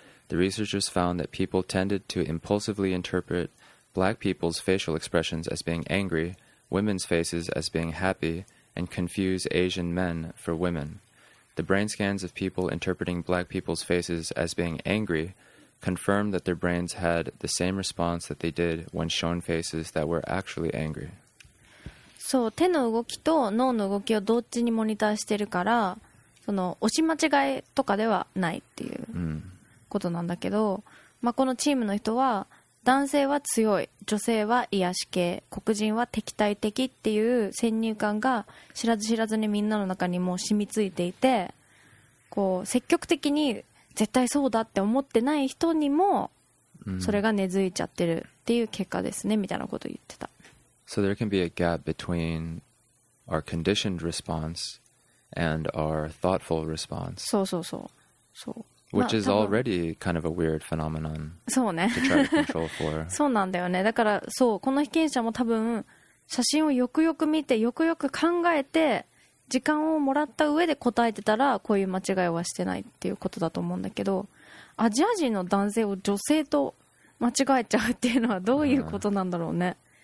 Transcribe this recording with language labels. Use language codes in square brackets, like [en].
[en] The researchers found that people tended to impulsively interpret black people's facial expressions as being angry, women's faces as being happy, and confuse Asian men for women. The brain scans of people interpreting black people's faces as being angry confirmed that their brains had the same response that they did when shown faces that were actually angry. [ja] そう、手の動きと脳の動きをどっちにモニターしてるから、その押し間違いとかではないっていうことなんだけど、まあ、このチームの人は男性は強い、女性は癒し系、黒人は敵対的っていう先入観が知らず知らずにみんなの中にもう染みついていて、こう積極的に絶対そうだって思ってない人にもそれが根付いちゃってるっていう結果ですね、みたいなことを言ってた。 [en] So there can be a gap between our conditioned response and our thoughtful response. [ja] そうそうそう、そう、 [en] which is already kind of a weird phenomenon. [ja] そうね。 [en] to try to control for. [ja] そうなんだよね。だからそう、この被験者も多分写真をよくよく見て、よくよく考えて、時間をもらった上で答えてたら、こういう間違いはしてないっていうことだと思うんだけど、アジア人の男性を女性と間違えちゃうっていうのはどういうことなんだろうね。